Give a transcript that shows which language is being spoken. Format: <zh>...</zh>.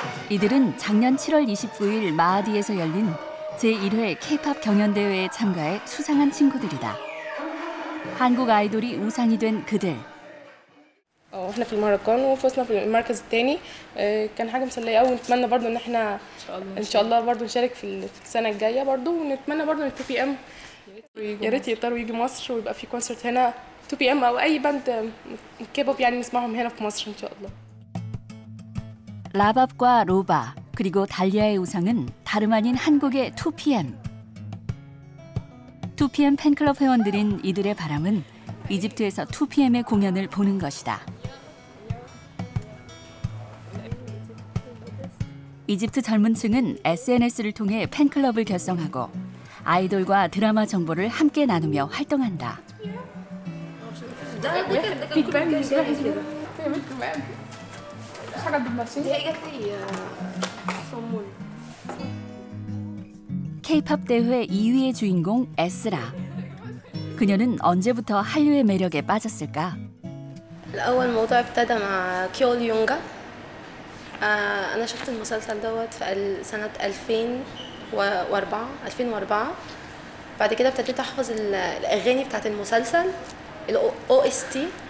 <ko>이들은 작년 7월 29일 마하디에서 열린 제1회 K-POP 경연대회에 참가해 수상한 친구들이다. 한국 아이돌이 우상이 된 그들.</ko> <ar>احنا في المهرجان وفزنا في المركز الثاني كان حاجه مسليه قوي نتمنى برده ان احنا ان شاء الله برده نشارك في السنه الجايه برده ونتمنى برده ان تو بي ام يا ريت يطروا يجي مصر ويبقى في كونسرت هنا تو بي ام او اي باند كيبوب يعني نسمعهم هنا في مصر ان شاء الله</ar> <ko>라밥과 로바 그리고 달리아의 우상은 다름 아닌 한국의 2PM. 2PM 팬클럽 회원들인 이들의 바람은 이집트에서 2PM의 공연을 보는 것이다. 이집트 젊은층은 SNS를 통해 팬클럽을 결성하고 아이돌과 드라마 정보를 함께 나누며 활동한다. 케이팝 대회 2위의 주인공 에스라. 그녀는 언제부터 한류의 매력에 빠졌을까? 처음 모두 시작한 키올 융가.</ko> <ar>انا شفت المسلسل دوت في سنه 2004 بعد كده ابتديت احفظ الاغاني بتاعه المسلسل الاو اس تي</ar>